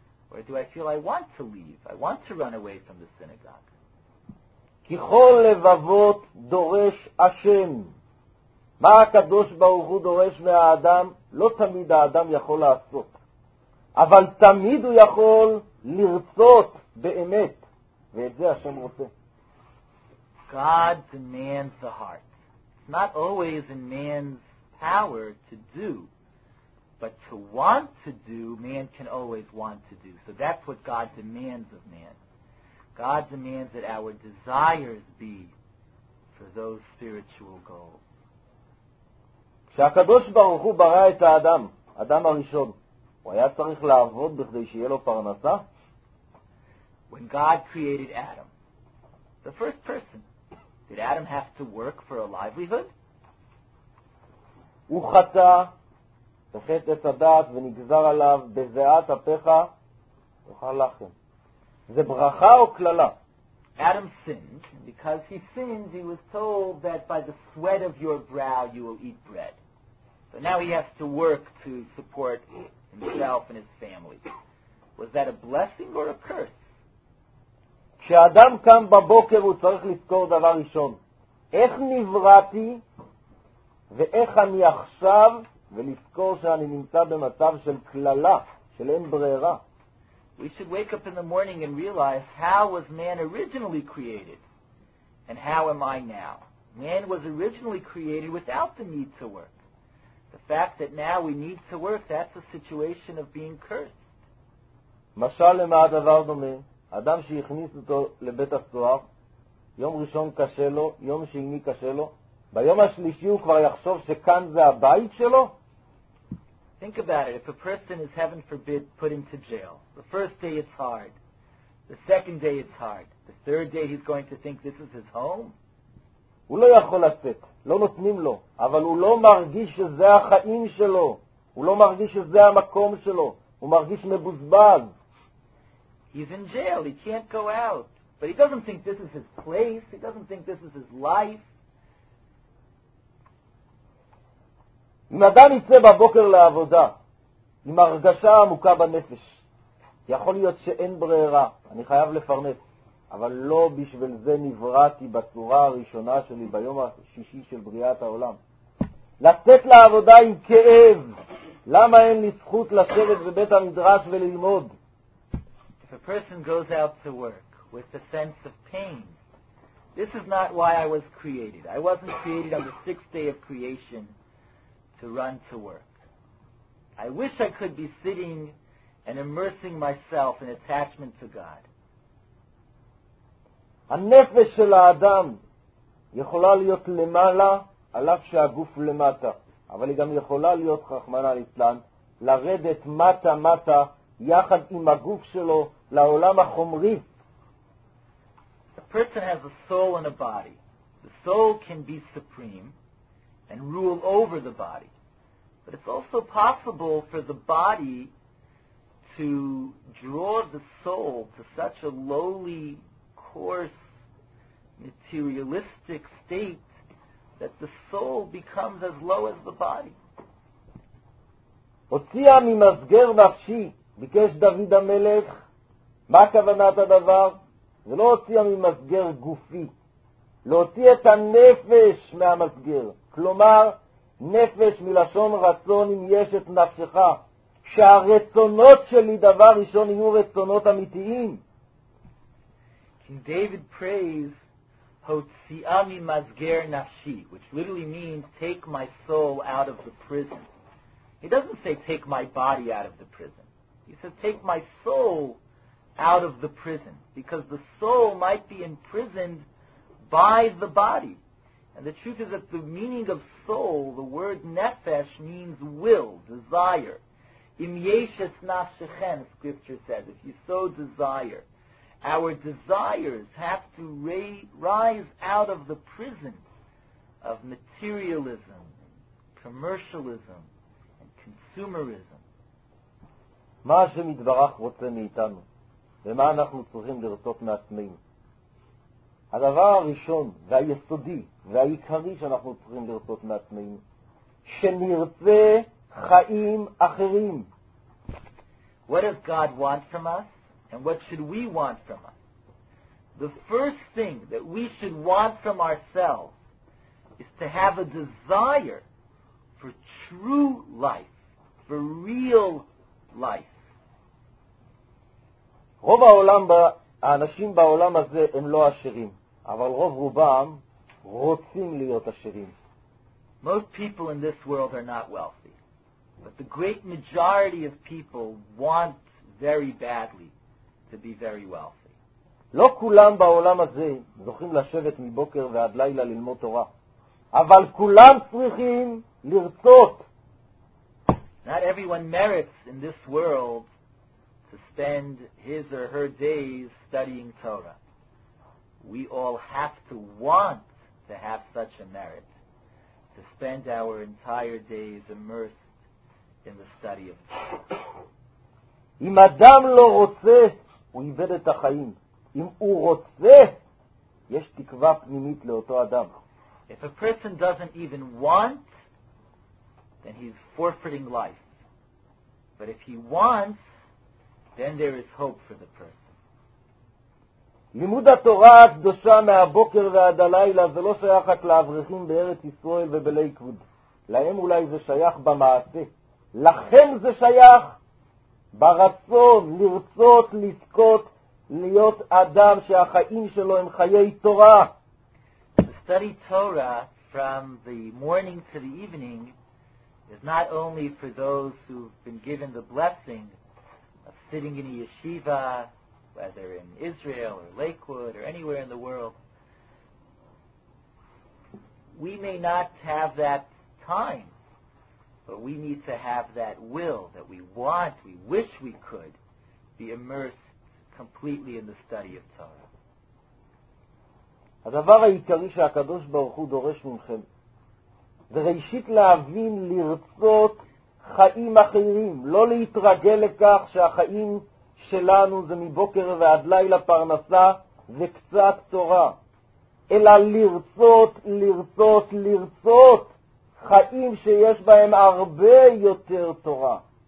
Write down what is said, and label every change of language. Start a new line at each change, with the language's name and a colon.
English: Or do I feel I want to leave, I want to run away from the synagogue?
Hebrew: ככל לבבות דורש השם. מה הקדוש ברוך הוא דורש מהאדם? לא תמיד האדם יכול לעשות, אבל תמיד הוא יכול לרצות באמת, ואת זה השם רוצה.
English: God demands the heart. It's not always in man's power to do, but to want to do, man can always want to do. So that's what God demands of man. God demands that our desires be for those spiritual goals.
Hebrew: כשהקדוש ברוך הוא ברא את האדם, אדם הראשון, הוא היה צריך לעבוד בכדי שיהיה לו פרנסה?
English: When God created Adam, the first person, did Adam have to work for a livelihood?
Hebrew: הוא חטא, בחטא את הדעת ונגזר עליו בזיעת אפיך, יאכל לחם. זה ברכה או קללה?
English: Adam sinned, and because he sinned, he was told that by the sweat of your brow you will eat bread. So now he has to work to support himself and his family. Was that a blessing or a curse?
Hebrew: כשאדם קם בבוקר הוא צריך לזכור דבר ראשון. איך נבראתי ואיך אני עכשיו, ולזכור שאני נמצא במצב של כללה, של אין ברירה.
English: We should wake up in the morning and realize how was man originally created and how am I now? Man was originally created without the need to work. The fact that now we need to work, that's a situation of being cursed.
Hebrew: משל למה הדבר דומה? אדם שהכניס אותו לבית הסוהר, יום ראשון קשה לו, יום שני קשה לו, ביום השלישי הוא כבר יחשוב שכאן זה הבית שלו?
English: Think about it. If a person is, heaven forbid, put into jail, the first day it's hard, the second day it's hard, the third day he's going to think this is his home?
Hebrew: הוא לא יכול לצאת, לא נותנים לו, אבל הוא לא מרגיש שזה החיים שלו, הוא לא מרגיש שזה המקום שלו, הוא מרגיש מבוזבז.
English: He's in jail, he can't go out, but he doesn't think this is his place, he doesn't think this is his life.
Hebrew: אם אדם יצא בבוקר לעבודה, עם הרגשה עמוקה בנפש, יכול להיות שאין ברירה, אני חייב לפרנס. אבל לא בשביל זה נבראתי בצורה הראשונה שלי ביום השישי של בריאת העולם. לצאת לעבודה עם כאב. למה אין לי זכות לשבת בבית המדרש וללמוד?
English: If a person goes out to work with a sense of pain, this is not why I was created. I wasn't created on the sixth day of creation to run to work. I wish I could be sitting and immersing myself in attachment to God.
Hebrew: הנפש של האדם יכולה להיות למעלה על אף שהגוף למטה, אבל היא גם יכולה להיות חכמנה לצלן, לרדת מטה-מטה יחד עם הגוף שלו לעולם החומרי.
English: A person has a soul and a body. The soul can be supreme and rule over the body. But it's also possible for the body to draw the soul to such a lowly, coarse, materialistic state that the soul becomes as low as the body.
Hebrew: הוציאה ממסגר נפשי, ביקש דוד המלך, מה כוונת הדבר? זה לא הוציאה ממסגר גופי, להוציא את הנפש מהמסגר, כלומר, נפש מלשון רצון אם יש את נפשך, שהרצונות שלי דבר ראשון יהיו רצונות אמיתיים.
English: King David prays,
Hebrew: הוציאה ממסגר נפשי,
English: which literally means, take my soul out of the prison. He doesn't say, take my body out of the prison. He says, take my soul out of the prison. Because the soul might be imprisoned by the body. And the truth is that the meaning of soul, the word nefesh, means will, desire.
Hebrew: Im yeshes nafshechem,
English: scripture says, if you so desire. Our desires have to rise out of the prison of materialism, commercialism, consumerism.
Hebrew: מה השם יתברך רוצה מאיתנו? ומה אנחנו צריכים לרצות מעצמנו? הדבר הראשון והיסודי והעיקרי שאנחנו צריכים לרצות מעצמנו, שנרצה חיים אחרים.
English: What does God want from us? And what should we want from us? The first thing that we should want from ourselves is to have a desire for true life. For real life.
Hebrew: רוב העולם, האנשים בעולם הזה הם לא עשירים, אבל רוב רובם רוצים להיות עשירים.
English: Most people in this world are not wealthy, but the great majority of people want very badly to be very wealthy.
Hebrew: לא כולם בעולם הזה זוכים לשבת מבוקר ועד לילה ללמוד תורה, אבל כולם צריכים לרצות.
English: Not everyone merits in this world to spend his or her days studying Torah. We all have to want to have such a merit, to spend our entire days immersed in the study of Torah.
Hebrew: אם אדם לא רוצה, הוא איבד את החיים. אם הוא רוצה, יש תקווה פנימית לאותו אדם.
English: If a person doesn't even want, then he's forfeiting life. But if he wants, then there is hope for the person.
Hebrew: לימוד התורה הקדושה מהבוקר ועד הלילה זה לא שייך רק לאברכים בארץ ישראל ובלייקווד. להם אולי זה שייך במעשה. לכם זה שייך ברצון, לרצות, לזכות, להיות אדם שהחיים שלו הם חיי תורה.
English: To study Torah from the morning to the evening is not only for those who've been given the blessing of sitting in a yeshiva, whether in Israel or Lakewood or anywhere in the world. We may not have that time, but we need to have that will that we want, we wish we could be immersed completely in the study of Torah.
Hebrew: הדבר העיקרי שהקדוש ברוך הוא דורש ממכם, זה ראשית להבין לרצות חיים אחרים, לא להתרגל לכך שהחיים שלנו זה מבוקר ועד לילה פרנסה וקצת תורה, אלא לרצות, לרצות, לרצות חיים שיש בהם הרבה יותר תורה.